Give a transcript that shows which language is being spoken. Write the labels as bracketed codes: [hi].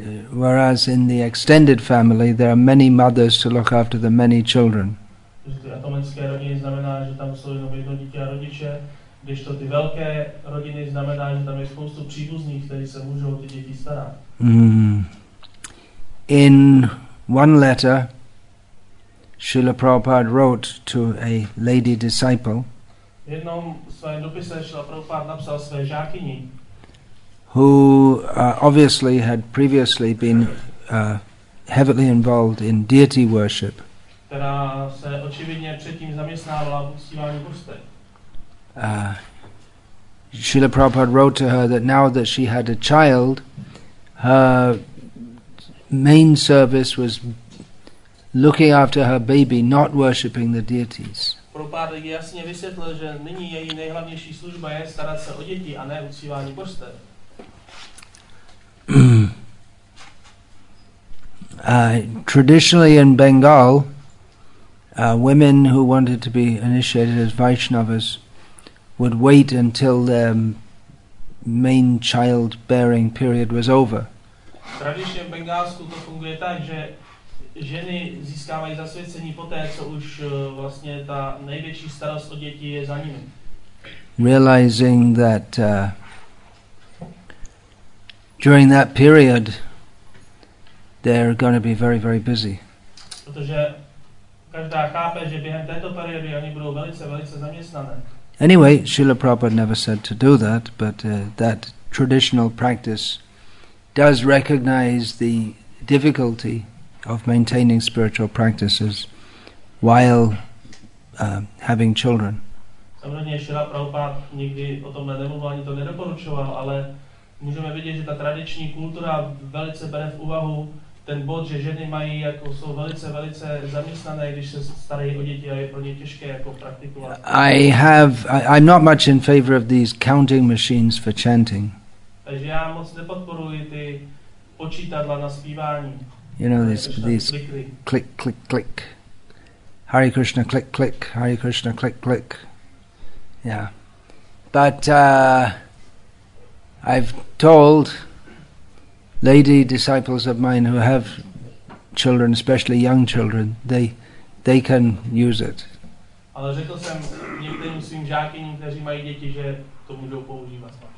[en] whereas in the extended family there are many mothers to look after the many children. [cs] Atomické rodiny znamená, že tam jsou jenom jedno dítě a rodiče, když to ty velké rodiny znamená, že tam je spoustu příbuzných, kteří se můžou o ty děti starat. [en] In one letter, Srila Prabhupada wrote to a lady disciple. [cs] V jednom svém dopise Srila Prabhupada napsal své žákyni, [en] who obviously had previously been heavily involved in deity worship. [cs] Která se očividně předtím zaměstnávala v uctívání bůstek. [en] Srila Prabhupada wrote to her that now that she had a child, her main service was looking after her baby, not worshipping the deities. [cs] Prabhupada jasně vysvětlil, že nyní její nejhlavnější služba je starat se o děti a ne uctívání bůstek. [en] Traditionally in Bengal, women who wanted to be initiated as Vaishnavas would wait until their main child-bearing period was over. [cs] Tradičně v Bengálsku to funguje tak, že ženy získávají zasvěcení poté, co už vlastně ta největší starost o děti je za nimi. [en] Realizing that during that period, they're going to be very, very busy. [cs] Protože každá chápe, že během této periody oni budou velice, velice zaměstnané. [en] Anyway, Srila Prabhupada never said to do that, but that traditional practice does recognize the difficulty of maintaining spiritual practices while having children. [cs] Samozřejmě Srila Prabhupada nikdy o tom nemluvil, ani to nedoporučoval, ale můžeme vidět, že ta tradiční kultura velice bere v úvahu ten bod, že ženy mají jako jsou velice, velice zaměstnané, když se starají o děti a je pro ně těžké jako praktikovat. [en] I'm not much in favor of these counting machines for chanting. [cs] Takže já moc nepodporuji ty počítadla na zpívání. [en] You know, these click, click, click. Hare Krishna, click, click. Hare Krishna, click, click. Yeah. But I've told lady disciples of mine who have children, especially young children, they can use it. [cs] Ale řekl jsem některým svým žákyním, kteří mají děti, že to můžou používat.